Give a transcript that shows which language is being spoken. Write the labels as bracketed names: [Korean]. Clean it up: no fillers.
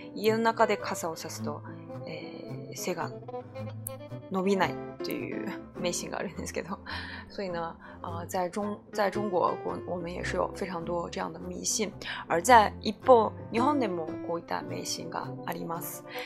[Japanese] 家の中で傘をさすと、背が伸びないという迷信があるんですけど。 [Chinese] 所以呢，在中国，我们也是有非常多这样的迷信。而在 [Japanese] 一方、日本でもこういった迷信があります。